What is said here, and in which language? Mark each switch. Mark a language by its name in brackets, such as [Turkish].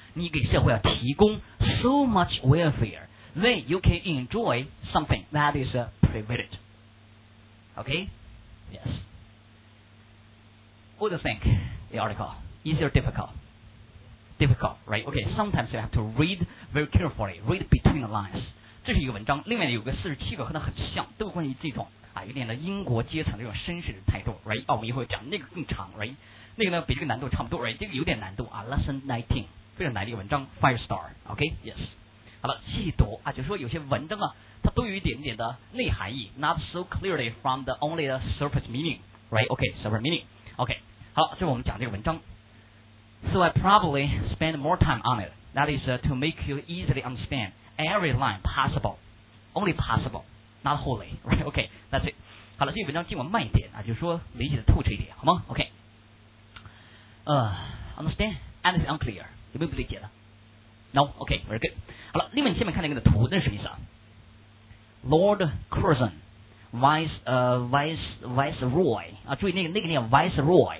[Chinese] 你给社会要提供 [English] so much welfare， then you can enjoy something that is a privilege。 OK， yes。 What do you think? The article is it difficult? Difficult, right? OK， sometimes you have to read very carefully, read between the lines。 [Chinese] 这是一个文章，另外有个47个和它很像，都关于这种。有点的英国阶层的这种绅士的态度 right？ 我们以后讲那个更长 right？那个呢比这个难度差不多 right？ 这个有点难度啊 Lesson 19非常难的一个文章 Firestar OK Yes 好了细读啊，就是说有些文章啊它都有一点点的内含义 [English] Not so clearly from the only the surface meaning right？ OK surface meaning OK [Chinese] 好了，这是我们讲这个文章 [English] So I probably spend more time on it That is to make you easily understand Every line possible Only possible Not wholly right? OK That's it. [Chinese] 好了，这个文章尽管慢一点啊，就是说理解的透彻一点，好吗 ？OK. [English] Understand? Anything unclear? [Chinese] 有没有不理解的 [English] ？No. OK. Very good. [Chinese] 好了，另外你下面看那个图，那是什么意思啊 ？Lord Curzon, Viceroy 啊，注意那个念 Viceroy.